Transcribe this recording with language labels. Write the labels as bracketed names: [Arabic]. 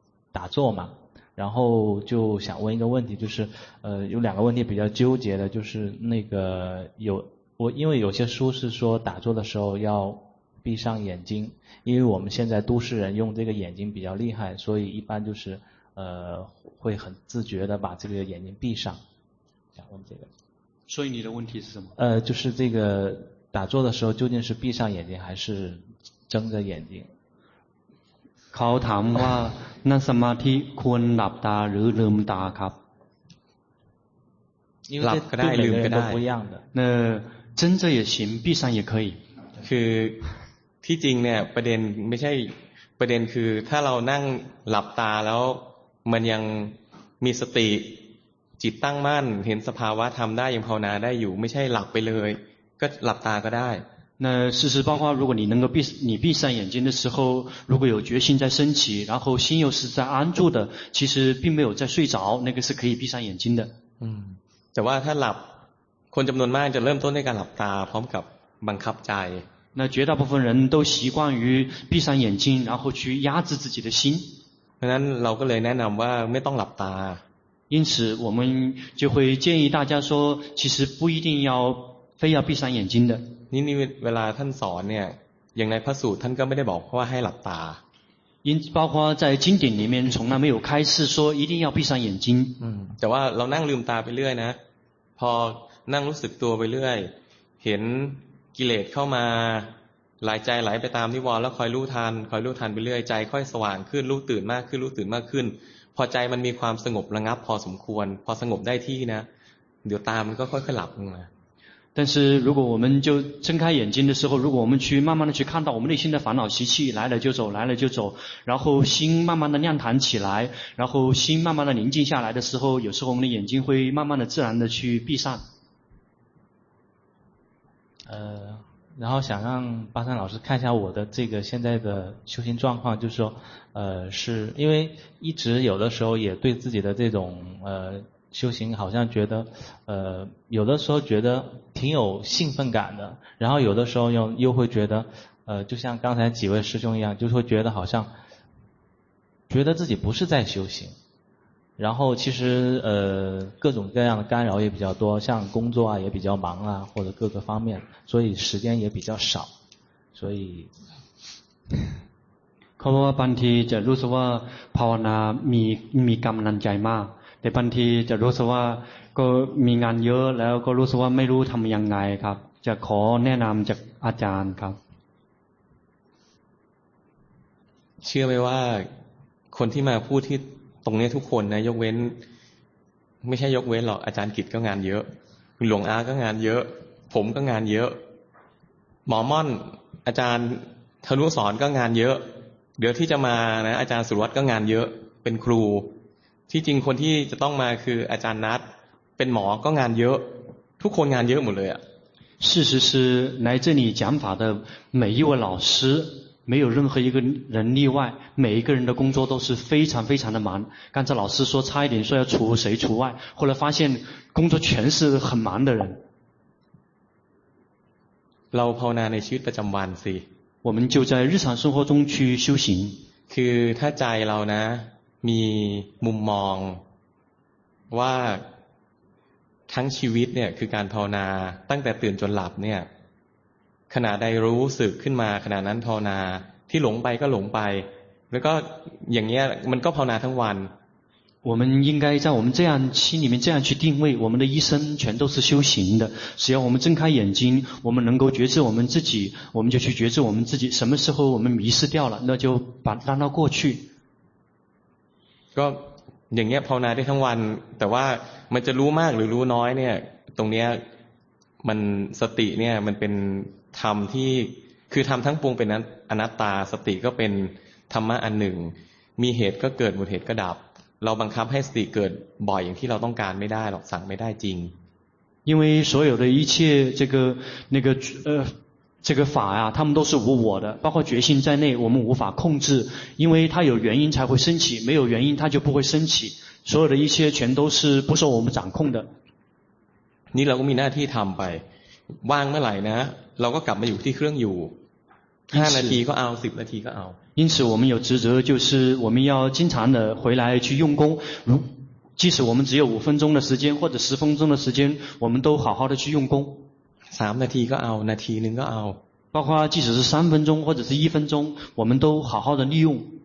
[Chinese] 打坐嘛然后就想问一个问题就是有两个问题比较纠结的就是那个有我因为有些书是说打坐的时候要闭上眼睛因为我们现在都市人用这个眼睛比较厉害所以一般就是会很自觉的把这个眼睛闭上想问这个所以你的问题是什么就是这个打坐的时候究竟是闭上眼睛还是睁着眼睛 [Thai] เขาถามว่านั่งสมาธิควรหลับตาหรือลืมตาครับ หลับก็ได้ลืมก็ได้ [Chinese] 不一样的那睁着也行闭上也可以 [Thai] คือที่จริงเนี่ยประเด็นไม่ใช่ประเด็นคือถ้าเรานั่งหลับตาแล้วมันยังมีสติ จิตตั้งมั่นเห็นสภาวะธรรมได้ยังภาวนาได้อยู่ไม่ใช่หลับไปเลยก็หลับตาก็ได้ [Chinese] 那事实包括如果你能够闭你闭上眼睛的时候如果有决心在升起然后心又是在安住的其实并没有在睡着那个是可以闭上眼睛的 [Thai] 嗯แต่ว่าถ้าหลับคนจำนวนมากจะเริ่มต้นในการหลับตาพร้อมกับบังคับใจ [Chinese] 那绝大部分人都习惯于闭上眼睛然后去压制自己的心 [Thai] เพราะนั้นเราก็เลยแนะนำว่าไม่ต้องหลับตา [Chinese] 因此我们就会建议大家说其实不一定要非要闭上眼睛的 [Thai] นี่เวลาท่านสอนเนี่ยอย่างในพระสูตรท่านก็ไม่ได้บอกว่าให้หลับตา [Chinese] 包括在经典里面从来没有开示说一定要闭上眼睛 [Thai] แต่ว่าเรานั่งลืมตาไปเรื่อยนะพอนั่งรู้สึกตัวไปเรื่อยเห็นกิเลสเข้ามาหลายใจไหลไปตามนิวรณ์แล้วคอยรู้ทันคอยรู้ทันไปเรื่อยใจค่อยสว่างขึ้นรู้ตื่นมากขึ้นรู้ตื่นมากขึ้นพอใจมันมีความสงบระงับพอสมควรพอสงบได้ที่นะเดี๋ยวตามันก็ค่อยๆหลับลงมา [Chinese] 但是如果我们就睁开眼睛的时候如果我们去慢慢的去看到我们内心的烦恼习气来了就走来了就走然后心慢慢的亮堂起来然后心慢慢的宁静下来的时候有时候我们的眼睛会慢慢的自然的去闭上然后想让巴山老师看一下我的这个现在的修行状况就是说是因为一直有的时候也对自己的这种修行好像觉得有的时候觉得挺有兴奋感的然后有的时候又会觉得就像刚才几位师兄一样就是会觉得好像觉得自己不是在修行然后其实各种各样的干扰也比较多像工作啊也比较忙啊或者各个方面所以时间也比较少所以 [Thai] เพราะว่าบางทีจะรู้สึกว่าภาวนามีกำลังใจมากแต่บางทีจะรู้สึกว่าก็มีงานเยอะแล้วก็รู้สึกว่าไม่รู้ทำยังไงครับจะขอแนะนำจากอาจารย์ครับ เชื่อไหมว่าคนที่มาพูดที่ตรงนี้ทุกคนนะยกเว้นไม่ใช่ยกเว้นหรอกอาจารย์กิจก็งานเยอะคุณหลวงอาก็งานเยอะผมก็งานเยอะหมอม่อนอาจารย์ธนุสรก็งานเยอะเดี๋ยวที่จะมานะอาจารย์สุรวัตรก็งานเยอะเป็นครูที่จริงคนที่จะต้องมาคืออาจารย์นัทเป็นหมอก็งานเยอะทุกคนงานเยอะหมดเลยอ่ะ [Chinese] 事实是来这里讲法的每一位老师没有任何一个人例外每一个人的工作都是非常非常的忙刚才老师说差一点说要除谁除外后来发现工作全是很忙的人 [Thai] เราภาวนาในชีวิตประจำวันสิ [Chinese] 我们就在日常生活中去修行 [Thai] คือถ้าใจเรานะมีมุมมองว่าทั้งชีวิตเนี่ยคือการภาวนาตั้งแต่ตื่นจนหลับเนี่ยขณะใดรู้สึกขึ้นมาขณะนั้นภาวนาที่หลงไปก็หลงไปแล้วก็อย่างเงี้ยมันก็ภาวนาทั้งวัน [Chinese] 我们应该在我们这样心里面这样去定位我们的一生全都是修行的只要我们睁开眼睛我们能够觉知我们自己我们就去觉知我们自己什么时候我们迷失掉了那就把它让它过去 [Thai] ก็อย่างเงี้ยภาวนาได้ทั้งวันแต่ว่ามันจะรู้มากหรือรู้น้อยเนี่ยตรงเนี้ยมันสติเนี่ยมันเป็นธรรมที่คือธรรมทั้งปวงเป็นอนัตตาสติก็เป็นธรรมะอันหนึ่งมีเหตุก็เกิดหมดเหตุก็ดับเราบังคับให้สติเกิดบ่อยอย่างที่เราต้องการไม่ได้หรอกสั่งไม่ได้จริง [Chinese] 因为所有的一切这个那个这个法啊他们都是无我的包括决心在内我们无法控制因为它有原因才会升起没有原因它就不会升起所有的一切全都是不受我们掌控的你老公 [Thai] มีหน้าที่ทำไปว่างเมื่อไหร่นะเราก็กลับมาอยู่ที่เครื่องอยู่5นาทีก็เอา10นาทีก็เอา [Chinese] 因此我们有职责就是我们要经常的回来去用功即使我们只有5分钟的时间或者10分钟的时间我们都好好的去用功 [Thai] 3นาทีก็เอานาทีนึงก็เอา [Chinese] 包括即使是3分钟或者是1分钟我们都好好的利用